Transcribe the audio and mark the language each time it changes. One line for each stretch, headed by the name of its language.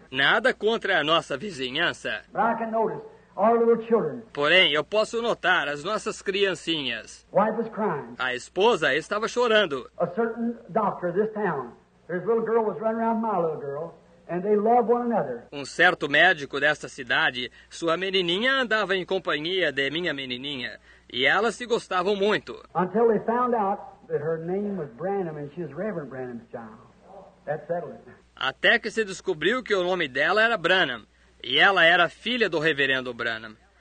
Portuguese: Nada contra a nossa vizinhança.
English: But I can notice our little children.
Portuguese: Porém, eu posso notar as nossas criancinhas.
English: Wife was crying.
Portuguese: A esposa estava chorando.
English: A certain doctor this town. This little girl was running around my little girl. And they love one another.
Portuguese: Um certo médico desta cidade, sua menininha andava em companhia de minha menininha, e elas se gostavam muito.
English: Until they found out that her name was Branham and she was Reverend Branham's child. That settled it.
Portuguese: Até que se descobriu que o nome dela era Branham, e ela era filha do Reverendo Branham.